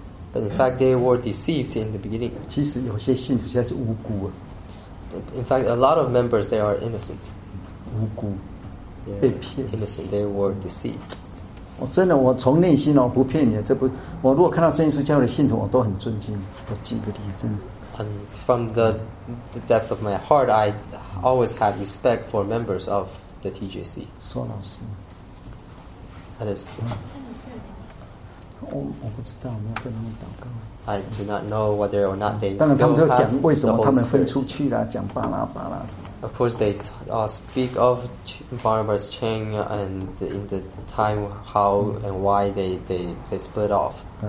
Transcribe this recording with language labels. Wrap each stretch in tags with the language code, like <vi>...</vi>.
<en>But in fact, they were deceived in the beginning.</en> <zh>其实有些信徒现在是无辜啊。</zh> <en>In fact, a lot of members, they are innocent.</en> <zh>无辜,</zh> <en>innocent, they were deceived.</en> <zh>我真的,我从内心哦,不骗你, 这不, 我如果看到真耶稣教会的信徒, 我都很尊敬, 都敬个礼, 真的。</zh> <en>And from the depth of my heart, I always had respect for members of the TJC.</en> <zh>说老师,</zh> <en>that is the...</en> <zh>我不知道,我没有跟他们祷告。</zh> <en>I do not know whether or not they still have the Holy Spirit.</en> <zh>为什么他们分出去了,讲巴拉巴拉什么。</zh> <en>Of course, they speak of Barnabas Chain and in the time how and why they split off.</en>